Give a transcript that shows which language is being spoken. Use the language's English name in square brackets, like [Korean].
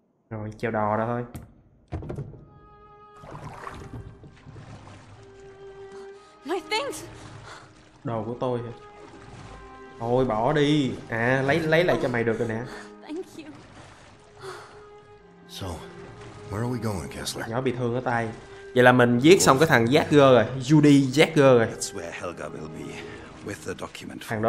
[Vietnamese] Rồi, chèo đò ra thôi. [English] My things. [Vietnamese] Đồ của tôi hả? Thôi bỏ đi. À, lấy lại cho mày được rồi nè. [English] Thank you. So, where are we going, Kessler? [Vietnamese] Nhỏ bị thương ở tay. Vậy là mình giết xong cái thằng Jagger rồi, Judy Jagger rồi. [English] That's where Helga will be with the document.